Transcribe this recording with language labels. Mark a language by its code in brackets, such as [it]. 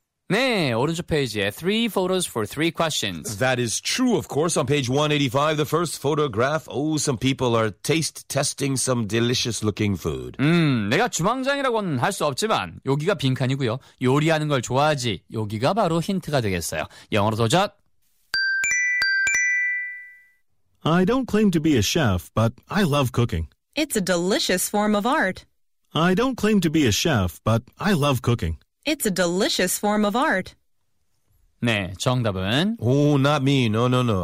[en] Three photos for three questions. That is true, of course. On page 185, the first photograph, some people are taste testing some delicious looking food. [ko] 내가 주방장이라고는 할 수 없지만 여기가 빈칸이고요. 요리하는 걸 좋아하지. 여기가 바로 힌트가 되겠어요. 영어로 도전. [en] I don't claim to be a chef, but I love cooking. It's a delicious form of art. I don't claim to be a chef, but I love cooking. It's a delicious form of art. [ko] 네, 정답은? [en] Not me. No.